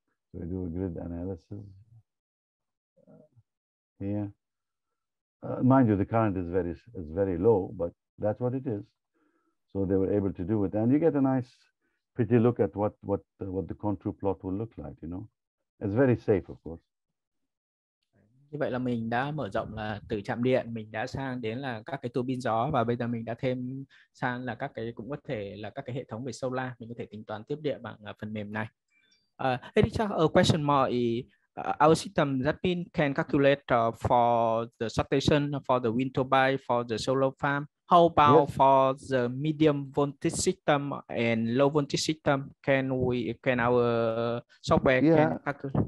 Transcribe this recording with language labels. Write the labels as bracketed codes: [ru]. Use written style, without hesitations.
[en] So we do a grid analysis here. Mind you, the current is very low, but that's what it is. So they were able to do it, and you get a nice, pretty look at what the contour plot will look like. You know, it's very safe, of course. [vi] Như vậy là mình đã mở rộng là từ trạm điện mình đã sang đến là các cái tua bin gió, và bây giờ mình đã thêm sang là các cái, cũng có thể là các cái hệ thống về solar, mình có thể tính toán tiếp điện bằng phần mềm này. [en] Editor, a question more. Our system that pin can calculate for the substation, for the wind turbine, for the solar farm. How about for the medium voltage system and low voltage system? Can our software calculate?